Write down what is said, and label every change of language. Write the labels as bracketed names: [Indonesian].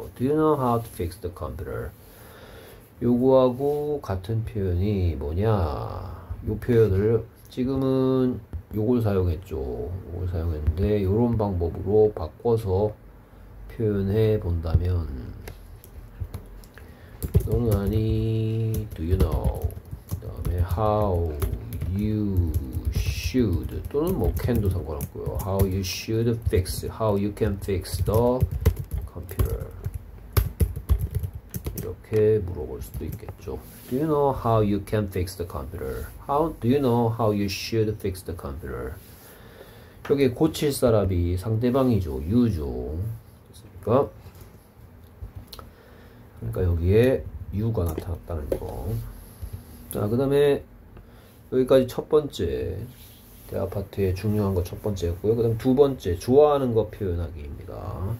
[English] Do you know how to fix the computer? [Korean] 요거하고 같은 표현이 뭐냐? 요 표현을 지금은 요걸 사용했죠. 요걸 사용했는데 요런 방법으로 바꿔서 표현해 본다면 너는 아니, [English] do you know? [Korean] 그다음에 [English] how you should [Korean] 또는 뭐 can도 상관없고요. [English] How you should fix, how you can fix the computer. [Korean] 이렇게 물어볼 수도 있겠죠. [English] Do you know how you can fix the computer? How do you know how you should fix the computer? [Korean] 여기 고칠 사람이 상대방이죠. you죠. 됐습니까? 그러니까 여기에 you가 나타났다는 거. 자, 그 다음에 여기까지 첫 번째 대화파트의 중요한 거 첫 번째였고요. 그 다음 두 번째, 좋아하는 거 표현하기입니다.